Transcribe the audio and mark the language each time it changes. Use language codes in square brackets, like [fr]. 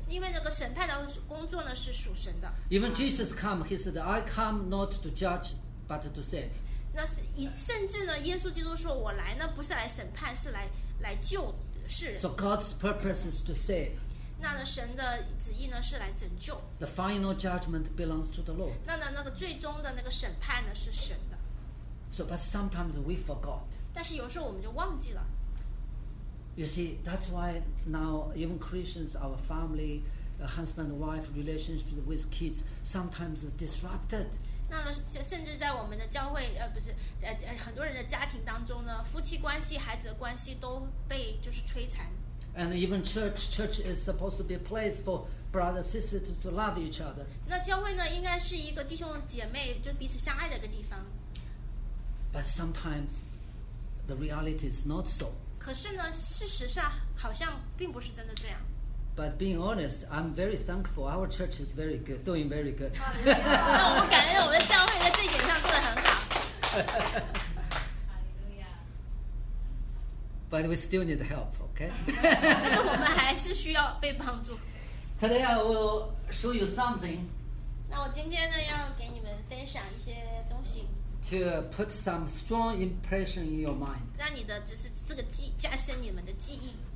[zh] 因为那个审判的工作呢是属神的。 [en] Even Jesus came, he said, "I come not to judge, but to save." [zh] 那甚至呢，耶稣基督说，我来呢不是来审判，是来救世人。 [en] So God's purpose is to save. [zh] 那呢神的旨意呢是来拯救。 [en] The final judgment belongs to the Lord. [zh] 那呢那个最终的那个审判呢是神的。 [en] So, but sometimes we forgot. [zh] 但是有时候我们就忘记了。 [en] You see, that's why now even Christians, our family, husband, wife, relationship with kids sometimes disrupted. [zh] 那呢甚至在我们的教会很多人的家庭当中呢，夫妻关系、孩子的关系都被就是摧残。 [en] And even church is supposed to be a place for brothers and sisters to love each other. [zh] 那教会呢，应该是一个弟兄姐妹就彼此相爱的一个地方。 [en] But sometimes the reality is not so. [zh] 可是呢，事实上好像并不是真的这样。 [en] But being honest, I'm very thankful. Our church is very good, doing very good. [zh] 那我们感恩我们的教会在这一点上做得很好。 [en] But we still need help, okay? [zh] 但是我们还是需要被帮助。 [en] Today I will show you something. [zh] 那我今天呢要给你们分享一些东西。 [en] To put some strong impression in your mind. [zh] 让你的就是这个记加深你们的记忆。